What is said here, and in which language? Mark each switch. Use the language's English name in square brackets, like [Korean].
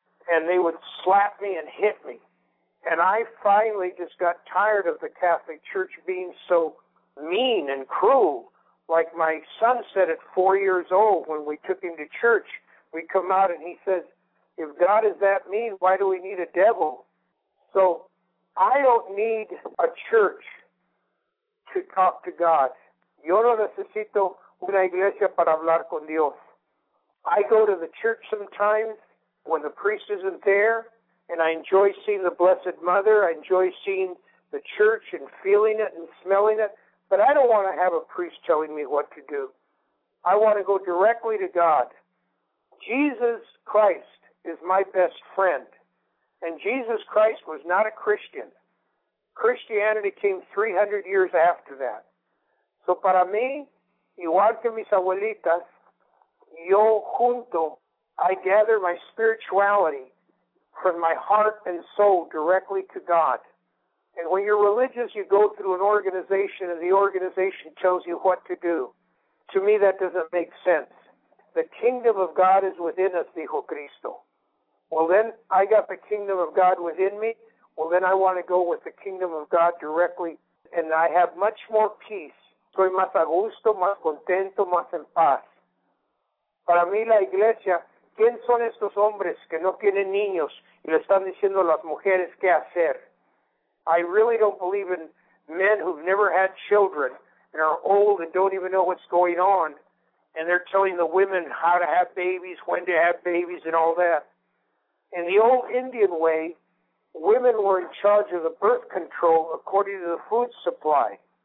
[English] And they would slap me and hit me. And I finally just got tired of the Catholic Church being so mean and cruel. Like my son said at 4 years old when we took him to church, we come out and he says, if God is that mean, why do we need a devil? So I don't need a church to talk to God. [Spanish] Yo no necesito una iglesia para hablar con Dios. [English] I go to the church sometimes when the priest isn't there, and I enjoy seeing the Blessed Mother. I enjoy seeing the church and feeling it and smelling it. But I don't want to have a priest telling me what to do. I want to go directly to God. Jesus Christ is my best friend. And Jesus Christ was not a Christian. Christianity came 300 years after that. So [Spanish] para mí, igual que mis abuelitas, yo junto, [English] I gather my spirituality from my heart and soul directly to God. And when you're religious, you go through an organization and the organization tells you what to do. To me, that doesn't make sense. The kingdom of God is within us, [Spanish] dijo Cristo. [English] Well, then I got the kingdom of God within me. Well, then I want to go with the kingdom of God directly, and I have much more peace. [Spanish] Soy más a gusto, más contento, más en paz. Para mí la iglesia, ¿quién son estos hombres que no tienen niños y le están diciendo a las mujeres qué hacer? [English] I really don't believe in men who've never had children and are old and don't even know what's going on, and they're telling the women how to have babies, when to have babies, and all that. In the old Indian way, women were in charge of the birth control according to the food supply.